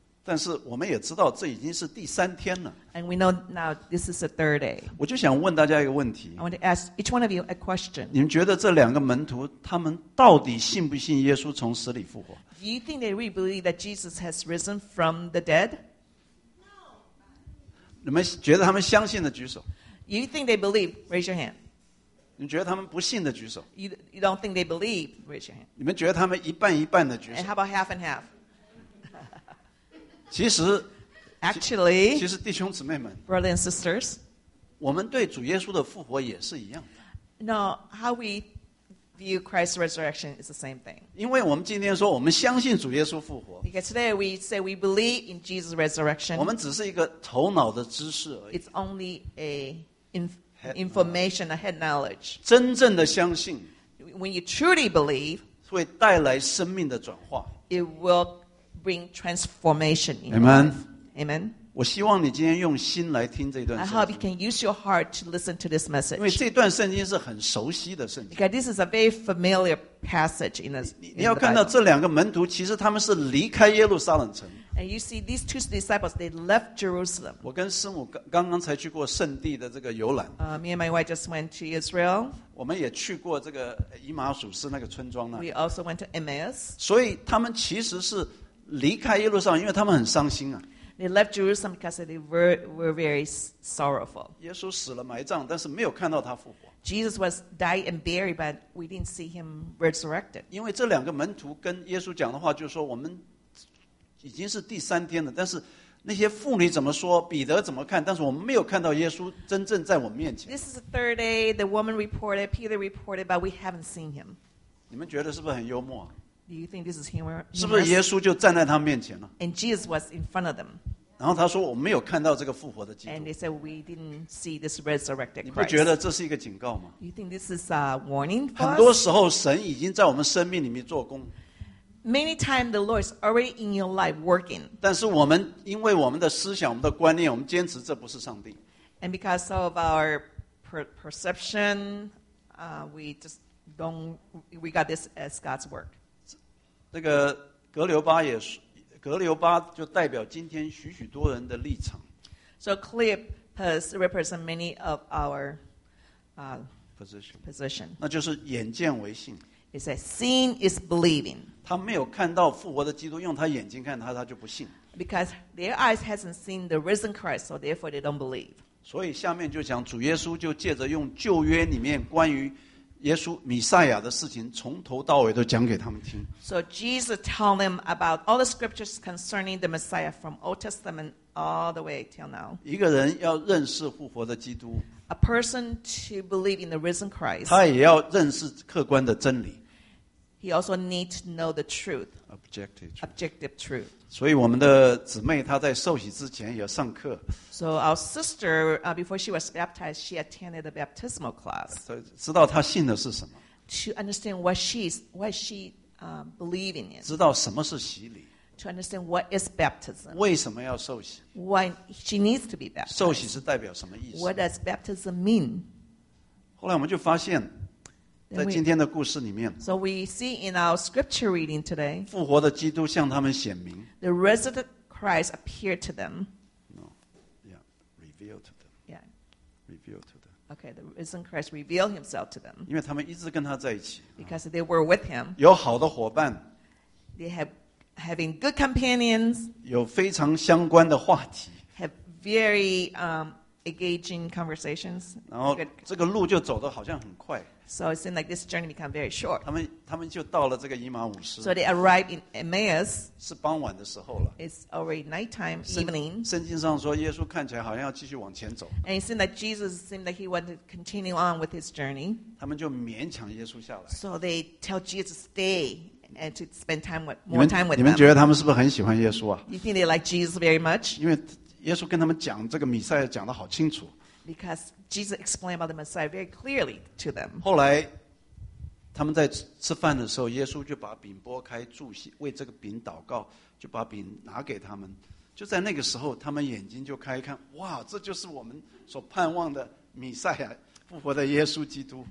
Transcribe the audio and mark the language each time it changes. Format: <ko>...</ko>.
<zh>但是我们也知道这已经是第三天了。</zh> <en>And we know now this is the third day.</en> <zh>我就想问大家一个问题。</zh> <en>I want to ask each one of you a question.</en> <zh>你们觉得这两个门徒他们到底信不信耶稣从死里复活？</zh> <en>Do you think they really believe that Jesus has risen from the dead? No.</en> <zh>你们觉得他们相信的举手。</zh> <en>You think they believe? Raise your hand.</en> <zh>你们觉得他们不信的举手。</zh> <en>You don't think they believe? Raise your hand.</en> <zh>你们觉得他们一半一半的举手。</zh> <en>And how about half and half?</en> <zh>其实</zh> <en>Actually,</en> <zh>其实弟兄姊妹们</zh> <en>Brothers and sisters,</en> <zh>我们对主耶稣的复活也是一样的。</zh> <en>No, how we view Christ's resurrection is the same thing.</en> <zh>因为我们今天说我们相信主耶稣复活。</zh> <en>Because today we say we believe in Jesus' resurrection.</en> <zh>我们只是一个头脑的知识而已。</zh> <en>It's only a information, a head knowledge.</en> <zh>真正的相信</zh> <en>When you truly believe,</en> <zh>会带来生命的转化。</zh> <en>It willBring transformation in your Amen. life. Amen.</en> <zh>我希望你今天用心来听这段圣经。</zh> <en>I hope you can use your heart to listen to this message.</en> <zh>因为这段圣经是很熟悉的圣经。</zh> <en>Because this is a very familiar passage in the Bible.</en> <zh>你要看到这两个门徒其实他们是离开耶路撒冷城。</zh> <en>And you see these two disciples, they left Jerusalem.</en> <zh>我跟师母刚刚才去过圣地的这个游览。</zh> <en>Me and my wife just went to Israel.</en> <zh>我们也去过这个以马属斯那个村庄呢。</zh> <en>We also went to Emmaus.</en> <zh>所以他们其实是离开耶路撒冷，因为他们很伤心啊。</zh> <en>They left Jerusalem because they were very sorrowful.</en> <zh>耶稣死了埋葬，但是没有看到他复活。</zh> <en>Jesus was died and buried, but we didn't see him resurrected.</en> <zh>因为这两个门徒跟耶稣讲的话，就是说我们已经是第三天了，但是那些妇女怎么说，彼得怎么看，但是我们没有看到耶稣真正在我们面前。</zh> <en>This is the third day. The woman reported, Peter reported, but we haven't seen him.</en> <zh>你们觉得是不是很幽默啊？</zh> <en>Do you think this is humor?</en> <zh>是不是耶稣就站在他面前了？</zh> <en>And Jesus was in front of them.</en> <zh>然后他说我没有看到这个复活的基督。</zh> <en>And they said we didn't see this resurrected Christ.</en> <zh>你不觉得这是一个警告吗？</zh> <en>You think this is a warning for us?</en> <zh>很多时候神已经在我们生命里面做工。</zh> <en>Many times the Lord is already in your life working.</en> <zh>但是我们因为我们的思想、我们的观念，我们坚持这不是上帝。</zh> <en>And because of our perception, we got this as God's work.</en> <zh>那个格留巴也是，格留巴就代表今天许许多人的立场。</zh> <en>So Cleopas represents many of our</en> <zh>position. 那就是眼见为信。</zh> <en>He says, "Seeing is believing."</en> <zh>他没有看到复活的基督，用他眼睛看他，他就不信。</zh> <en>Because their eyes hasn't seen the risen Christ, so therefore they don't believe.</en> <zh>所以下面就讲主耶稣就借着用旧约里面关于。耶稣弥赛亚的事情从头到尾都讲给他们听。</zh> <en>So Jesus told them about all the scriptures concerning the Messiah from Old Testament all the way till now.</en> <zh>一个人要认识复活的基督。</zh> <en>A person to believe in the risen Christ.</en> <zh>他也要认识客观的真理。</zh> <en>He also needs to know the truth. Objective truth.</en> <zh>所以我们的姊妹她在受洗之前也上课。</zh> <en>So our sister, before she was baptized, she attended a baptismal class.</en> <zh>知道她信的是什么。</zh> <en>To understand what she believing in.</en> <zh>知道什么是洗礼。</zh> <en>To understand what is baptism.</en> <zh>为什么要受洗。</zh> <en>Why she needs to be baptized.</en> <zh>受洗是代表什么意思。</zh> <en>What does baptism mean?</en> <zh>后来我们就发现在今天的故事里面</zh> <en>So we see in our scripture reading today</en> <zh>复活的基督向他们显明</zh> <en>The resurrected Christ appeared to them No Yeah Revealed to them Yeah Revealed to them Okay the risen Christ revealed himself to them</en> <zh>因为他们一直跟他在一起</zh> <en>Because they were with him</en> <zh>有好的伙伴</zh> <en>They have having good companions</en> <zh>有非常相关的话题</zh> <en>Have very engaging conversations</en> <zh>然后这个路就走得好像很快</zh> <en>So it seemed like this journey became very short.</en> <zh>他们就到了这个以马忤斯。</zh> <en>So they arrived in Emmaus.</en> <zh>是傍晚的时候了。</zh> <en>It's already nighttime, evening.</en> <zh>圣经上说耶稣看起来好像要继续往前走。</zh> <en>And it seemed like Jesus seemed like he wanted to continue on with his journey.</en> <zh>他们就勉强耶稣下来。</zh> <en>So they tell Jesus to stay and to spend more time with them.</en> <zh>你们觉得他们是不是很喜欢耶稣啊？</zh> <en>You think they like Jesus very much?</en> <zh>因为耶稣跟他们讲这个弥赛亚讲得好清楚。</zh> <en>Because Jesus explained about the Messiah very clearly to them.</en> <zh>后来，他们在吃饭的时候，耶稣就把饼拨开，祝谢，为这个饼祷告，就把饼拿给他们。就在那个时候，他们眼睛就开一看，哇，这就是我们所盼望的弥赛亚，复活的耶稣基督。</zh>